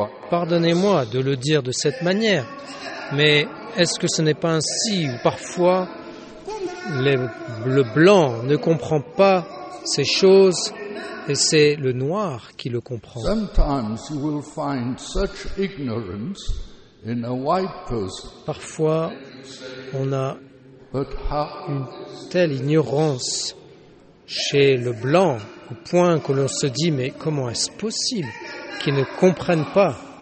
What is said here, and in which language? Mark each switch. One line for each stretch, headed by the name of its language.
French: Pardonnez-moi de le dire de cette manière, mais est-ce que ce n'est pas ainsi où parfois le blanc ne comprend pas ces choses et c'est le noir qui le comprend?
English: Sometimes you will find such ignorance in a white person.
French: Parfois, on a une telle ignorance chez le blanc au point que l'on se dit, mais comment est-ce possible qu'ils ne comprennent pas?